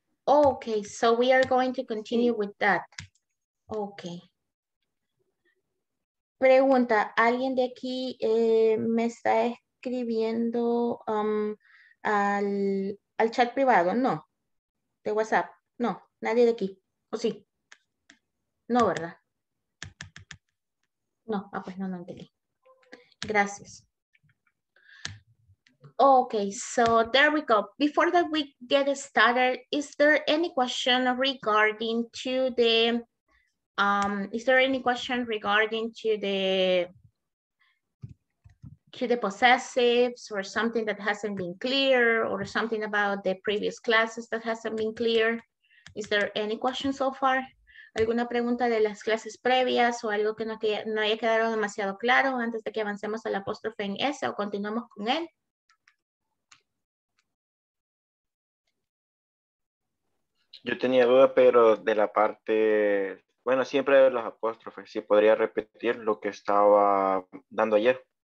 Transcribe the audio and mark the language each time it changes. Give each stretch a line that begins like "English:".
English: Ok, so we are going to continue with that. Ok.
Spanish: Pregunta, ¿alguien de aquí me está escribiendo al chat privado? No. ¿De WhatsApp? No, nadie de aquí. ¿O sí? No, ¿verdad? No, ah, pues no entendí. Gracias.
English: Okay, so there we go. Before that we get started, is there any question regarding to the possessives or something that hasn't been clear or something about the previous classes that hasn't been clear? Is there any question so far?
Spanish: ¿Alguna pregunta de las clases previas o algo que no haya quedado demasiado claro antes de que avancemos al apóstrofe en S o continuamos con él? Yo tenía duda, pero de la parte, bueno, siempre de los apóstrofes, si podría repetir lo que estaba dando ayer.